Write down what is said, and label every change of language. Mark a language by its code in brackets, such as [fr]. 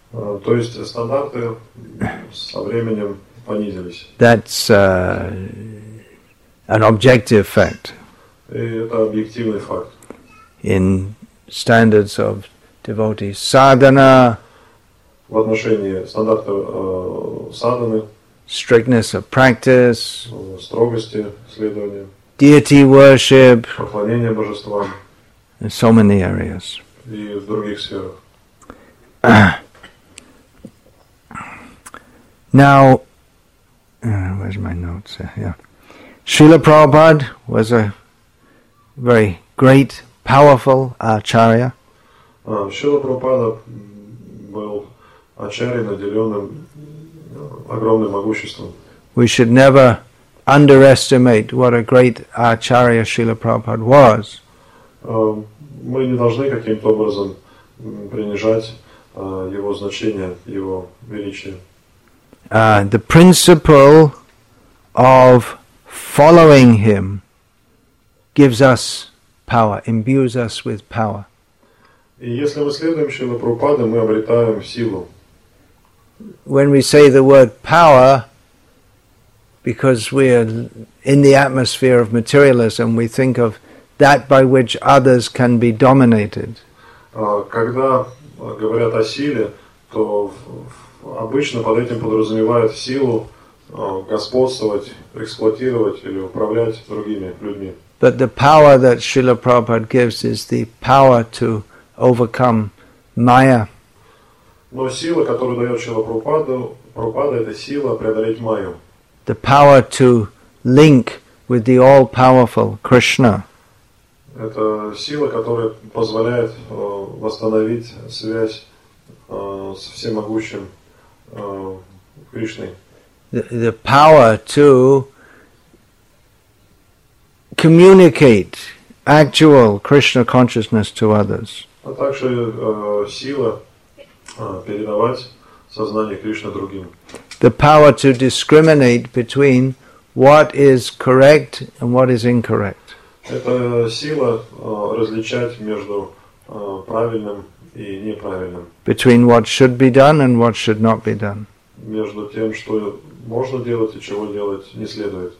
[ru] То есть стандарты со временем понизились. [en] That's an objective fact. [ru] И это объективный факт. [en] In standards of devotee sadhana. [ru] В отношении стандартов садханы. [en] Strictness of practice. [ru] Строгости следования. [en] Deity worship. [ru] Поклонение божествам. [en] In so many areas. [ru] И в других сферах. [en] Now, where's my notes? Yeah, Srila Prabhupada was a very great, powerful acharya. [ru] Srila Prabhupada был ачарьей, наделенным огромным могуществом. [en] We should never underestimate what a great acharya Srila Prabhupada was. [ru] Мы не должны каким-то образом принижать его значение, его величие. [en] The principle of following him gives us power, imbues us with power. [ru] И если мы следуем Шриле Прабхупаде, мы обретаем силу. [en] When we say the word power, because we are in the atmosphere of materialism, we think of that by which others can be dominated. [ru] Когда говорят о силе, то обычно под этим подразумевают силу господствовать, эксплуатировать или управлять другими людьми. [en] But the power that Srila Prabhupada gives is the power to overcome Maya. [ru] Но сила, которую дает Шрила Прабхупада, это сила преодолеть Майю. [en] The power to link with the all-powerful Krishna. [ru] Это сила, которая позволяет восстановить связь с всемогущим Кришной. [en] The power to communicate actual Krishna consciousness to others. [ru] А также сила передавать сознание Кришны другим. [en] The power to discriminate between what is correct and what is incorrect. [ru] Это сила различать между правильным и неправильным. [en] Between what should be done and what should not be done. [ru] Между тем, что можно делать и чего делать не следует.